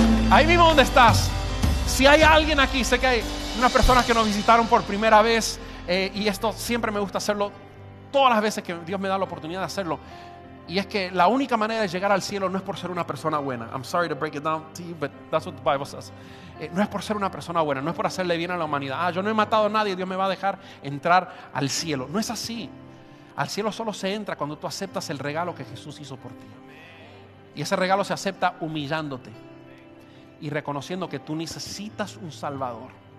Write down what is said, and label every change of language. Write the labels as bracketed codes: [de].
[es] Ahí mismo donde estás, si hay alguien aquí, sé que hay unas personas que nos visitaron por primera vez, y esto siempre me gusta hacerlo, todas las veces que Dios me da la oportunidad de hacerlo, y es que la única manera de llegar al cielo no es por ser una persona buena. [en] I'm sorry to break it down to you, but that's what the Bible says. [es] No es por ser una persona buena, no es por hacerle bien a la humanidad. Ah, yo no he matado a nadie, Dios me va a dejar entrar al cielo. No es así. Al cielo solo se entra cuando tú aceptas el regalo que Jesús hizo por ti. Y ese regalo se acepta humillándote y reconociendo que tú necesitas un salvador.